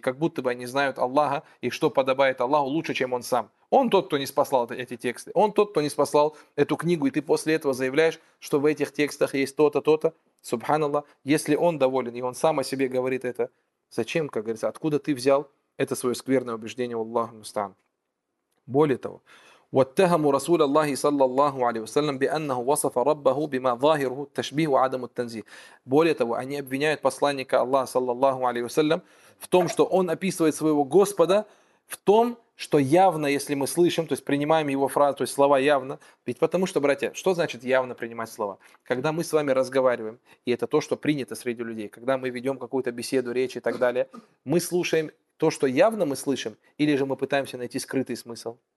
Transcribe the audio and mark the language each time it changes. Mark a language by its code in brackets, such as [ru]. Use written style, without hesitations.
[ru] Как будто бы они знают Аллаха и что подобает Аллаху лучше, чем он сам. Он тот, кто не спасал эти тексты. Он тот, кто не спасал эту книгу, и ты после этого заявляешь, что в этих текстах есть то-то, то-то. Субханаллах, если он доволен и он сам о себе говорит это, зачем, как говорится, откуда ты взял это свое скверное убеждение, Аллаху мустаан. Более того, [ar] واتهموا رسول الله صلى الله عليه وسلم بأنه وصف ربه بما ظاهره التشبيه وعدم التنزيه. [ru] Более того, они обвиняют посланника Аллаха صلى الله عليه وسلم в том, что он описывает своего Господа в том, что явно, если мы слышим, то есть принимаем его фразу, то есть слова явно. Ведь потому что, братья, что значит явно принимать слова? Когда мы с вами разговариваем, и это то, что принято среди людей, когда мы ведем какую-то беседу, речь и так далее, мы слушаем то, что явно мы слышим, или же мы пытаемся найти скрытый смысл?